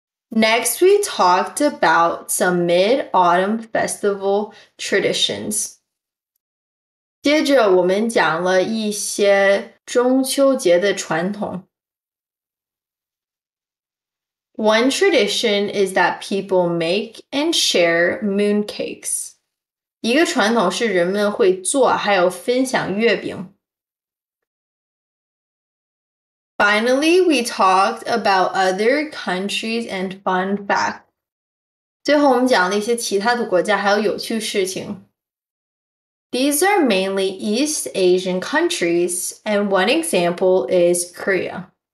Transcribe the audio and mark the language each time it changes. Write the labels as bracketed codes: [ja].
[en] Next, we talked about some Mid-Autumn Festival traditions. [zh] 接着我们讲了一些中秋节的传统. [en] One tradition is that people make and share mooncakes. [zh] 一个传统是人们会做还有分享月饼. [en] Finally, we talked about other countries and fun facts. [zh] 最后我们讲了一些其他的国家还有有趣事情. [en] These are mainly East Asian countries, and one example is Korea.